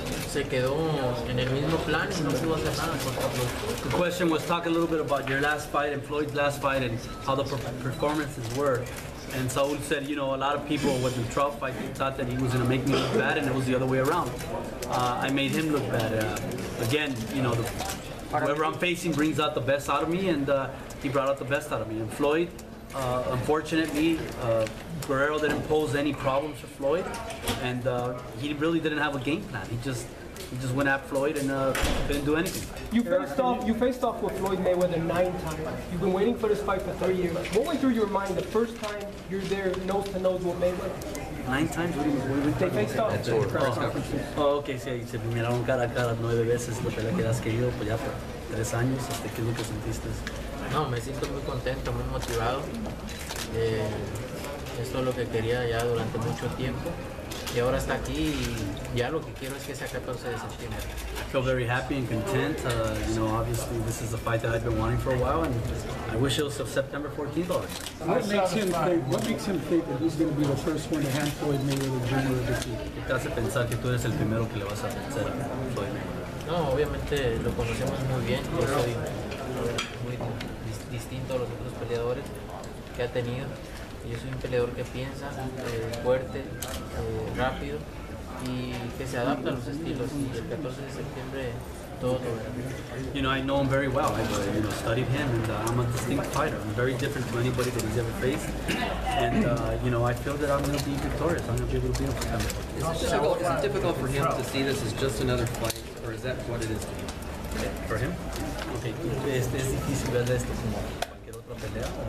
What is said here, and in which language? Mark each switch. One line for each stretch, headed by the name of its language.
Spanish: Se quedó en el mismo plan y no pudo hacer nada contra Floyd.
English: The question was, talk a little bit about your last fight and Floyd's last fight and how the performances were. And Saul said, you know, a lot of people with the Trout fight thought that he was going to make me look bad, and it was the other way around. I made him look bad. Again, you know, whoever I'm facing brings out the best out of me, and he brought out the best out of me. And Floyd, unfortunately, Guerrero didn't pose any problems for Floyd, and he really didn't have a game plan. He just went at Floyd and didn't do anything. You faced off with Floyd Mayweather 9 times. You've been waiting for this fight for 3 years. What went through your mind the first time you're there nose to nose with Mayweather? 9 times? What do you mean?
Spanish: Oh, okay. Se miraron cara a cara 9 veces la pelea que has querido, pues ya por 3 años. ¿Qué es lo que sentiste? No, me siento muy contento, muy motivado. Esto es lo que quería ya durante mucho tiempo. Y ahora está aquí y ya lo que quiero es que sea 14 de septiembre.
English: I feel very happy and content. You know, obviously this is a fight that I've been wanting for a while, and I wish it was of September 14th already. What makes him think that he's going to be the first one to hand Floyd Mayweather the junior defeat?
Spanish: ¿Qué te hace pensar que tú eres el primero que le vas a vencer a Floyd Mayweather? No, obviamente lo conocemos muy bien. Yo soy muy distinto a los otros peleadores que ha tenido. Yo soy un peleador que piensa fuerte, rápido y que se adapta a los estilos. Y el 14 de septiembre todo.
English: You know, I know him very well. I've studied him, and I'm a distinct fighter. I'm very different to anybody that he's ever faced. And you know, I feel that I'm going to be victorious. I'm going to be able to beat him. Is it difficult for him to see this as just another fight, or is that what it is for him?
Spanish: Okay, es difícil ver esto como cualquier otra pelea.